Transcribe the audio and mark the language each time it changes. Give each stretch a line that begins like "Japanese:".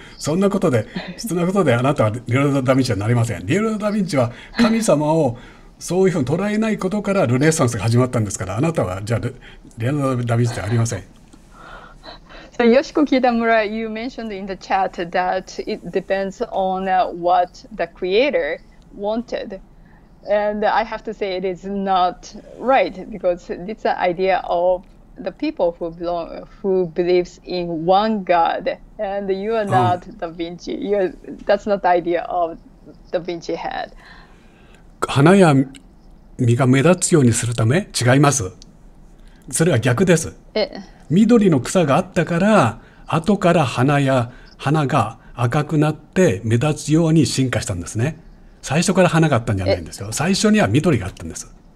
Japanese: そんなことであなたはレオナルド・ダ・ヴィンチはなりません。レオナルド・ダ・ヴィンチは神様をそういうふうに捉えないことからルネサンスが始まったんですから、あなたはじゃあレオナルド・ダ・ヴィンチではありません。
English: So, Yoshiko Kitamura, you mentioned in the chat that it depends on what the creator wanted. And I have to say, it is not right because it's an idea of the people who believes in one God. And you are not Da Vinci. That's not the idea of Da Vinci had.
Japanese: 花や実が目立つようにするため？違います。それは逆です。緑の草があったから、後から花が赤くなって目立つように進化したんですね。最初から花があったんじゃないんですよ。最初には緑があったんです。